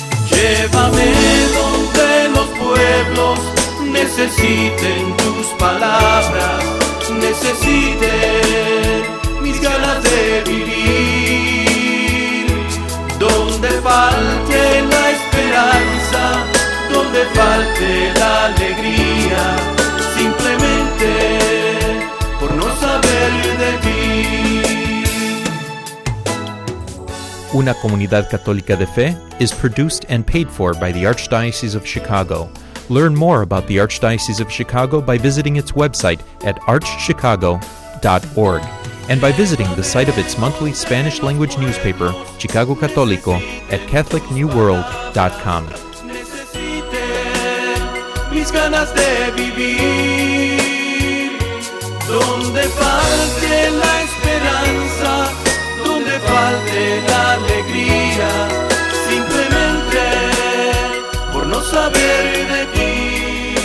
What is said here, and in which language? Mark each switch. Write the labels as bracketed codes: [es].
[es] Llévame donde los pueblos necesiten tus palabras, necesiten mis ganas de vivir. Donde falte la esperanza, donde falte la alegría, simplemente por no saber de ti. [en] Una Comunidad Católica de Fe is produced and paid for by the Archdiocese of Chicago. Learn more about the Archdiocese of Chicago by visiting its website at archchicago.org and by visiting the site of its monthly Spanish language newspaper, Chicago Católico, at catholicnewworld.com. [es] Falte la alegría, simplemente por no saber de ti.